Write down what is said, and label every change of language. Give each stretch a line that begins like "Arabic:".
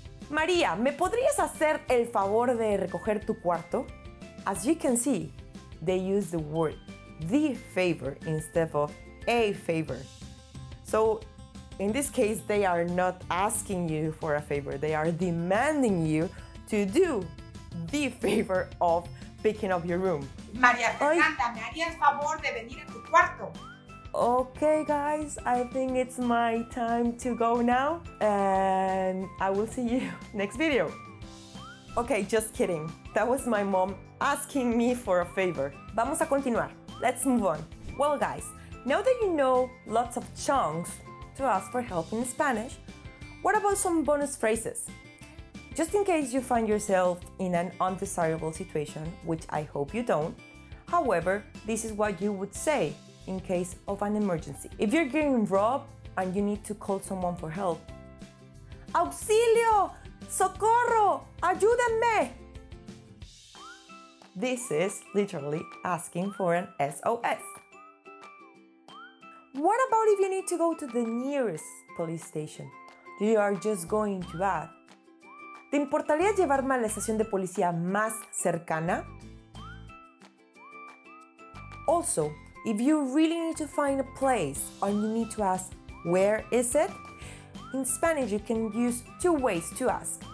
Spanish: María, ¿me podrías hacer el favor de recoger tu cuarto?
English: As you can see, they use the word the favor instead of a favor. So in this case, they are not asking you for a favor. They are demanding you to do the favor of picking up your room.
Spanish: María Fernanda, ¿me harías favor de venir a tu cuarto?
English: Okay, guys, I think it's my time to go now, and I will see you next video. Okay, just kidding. That was my mom asking me for a favor.
Spanish: Vamos a continuar.
English: let's move on. Well, guys, now that you know lots of chunks to ask for help in Spanish, what about some bonus phrases? Just in case you find yourself in an undesirable situation, which I hope you don't, however, this is what you would say in case of an emergency. If you're getting robbed and you need to call someone for help,
Spanish: auxilio, socorro, ayúdenme.
English: This is literally asking for an SOS. What about if you need to go to the nearest police station? You are just going to ask.
Spanish: ¿Te importaría llevarme a la estación de policía más cercana?
English: Also, if you really need to find a place or you need to ask, where is it? In Spanish, you can use two ways to ask.